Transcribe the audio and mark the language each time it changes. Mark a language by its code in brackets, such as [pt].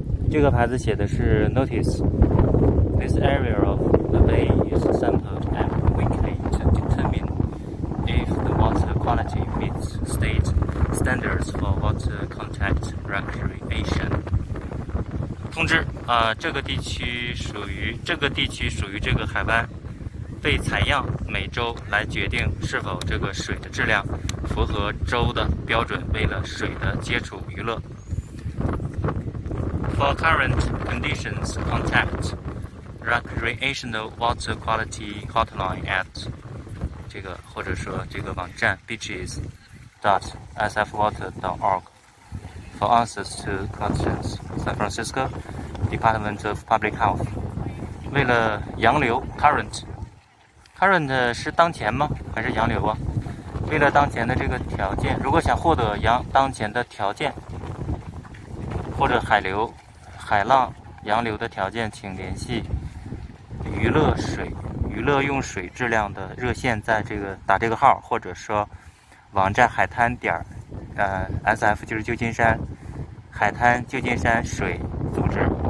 [zh] 这个牌子写的是 Notice. [en] This area of the bay is sampled every weekly to determine if the water quality meets state standards for water contact recreation. [zh] 通知啊、这个地区属于这个海湾，被采样，每周来决定是否这个水的质量符合州的标准，为了水的接触娱乐。 [en] For current conditions, contact recreational water quality hotline at [zh] 这个或者说这个网站 [en] beaches.sfwater.org for answers to questions. San Francisco Department of Public Health. [zh] 为了洋流 current 是当前吗？还是洋流啊？为了当前的这个条件，如果想获得当前的条件或者海流。海浪洋流的条件，请联系娱乐用水质量的热线，在这个打这个号，或者说网站海滩点SF 就是旧金山海滩旧金山水组织。